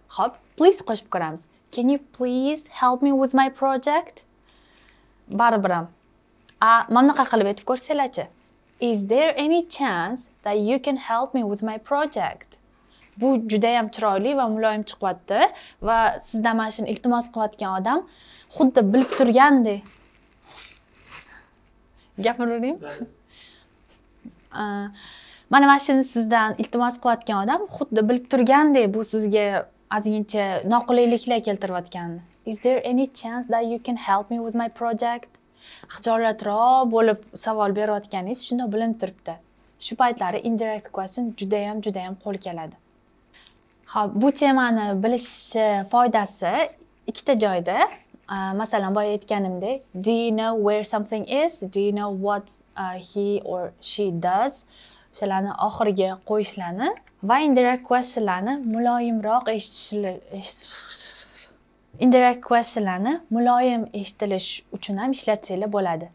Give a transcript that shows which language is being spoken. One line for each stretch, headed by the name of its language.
Uzbek: Xo'p,
English: please
Uzbek: qo'shib ko'ramiz.
English: Can you please help me with my project?
Uzbek: Baribir. Mana bunaqa qilib aytib ko'rsanglarchi.
English: Is there any chance that you can help me with my project?
Uzbek: Bu juda ham chiroyli va muloyim chiqyapti va sizdan mana shuni iltimos qilayotgan odam xuddi bilib turgandek. Gapiraverayim. Mana mana shuni sizdan iltimos qilayotgan odam xuddi bilib turgandek bu sizga ozgincha noqulayliklar keltirayotganini.
English: Is there any chance that you can help me with my project?
Uzbek: Xijolatroq bo'lib savol berayotganingiz shunda bilinib turibdi. Shu paytlari indirect question juda ham qo'l keladi. Xo'p, bu temani bilish foydasi ikkita joyda. Masalan, boy aytganimdek,
English: do you know where something is? Do you know what he or she does?
Uzbek: O'shalarni oxiriga qo'yishlarni va indirect questionlarni muloyimroq eshitilish uchun ham ishlatsangiz bo'ladi.